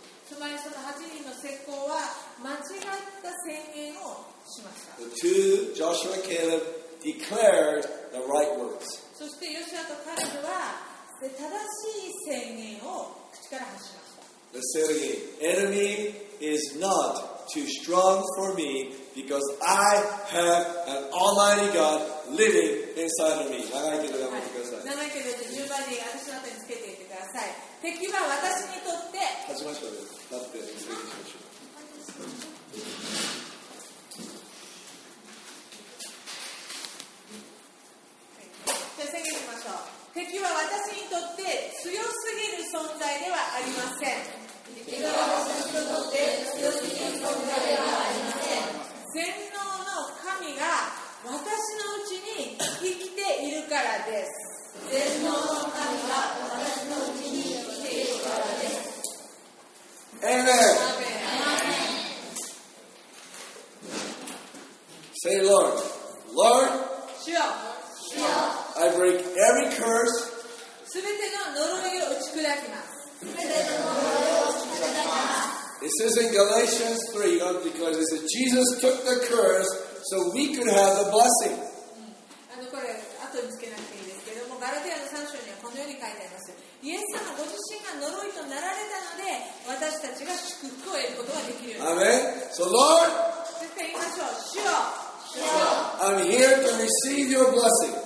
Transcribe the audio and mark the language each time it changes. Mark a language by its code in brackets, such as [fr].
[en] The two, Joshua and Caleb, declared the right words. Let's say it again. Enemy is not too strong for me because I have an almighty God living inside of me. [ja] 長いけど頑張ってください。長いけど順番に私の後につけていてください。敵は私にとって立ちましょうね。立って立ちましょう。じゃあ宣言しましょう。敵は私にとって強すぎる存在ではありません。敵は私にとって強すぎる存在ではありません。全能の神が私のうちに生きているからです。全能の神が私のうちに。 [en] Amen. Amen. Say, Lord. Lord, [ja] 主よ。主よ。 [en] I break every curse. [ja] 全ての呪いを打ち砕きます。全ての呪いを打ち砕きます。 [en] It says in Galatians 3, you know, because it says Jesus took the curse so we could have the blessing. [ja] これ後につけなくていいですけども、ガラテヤの3章にはこのように書いてあります。イエス様ご自身が呪いとなられたので私たちが祝福を得ることができる。 [en] アメン。So Lord、 [ja] そして言いましょう。主よ、主よ、 [en] I'm here to receive your blessing。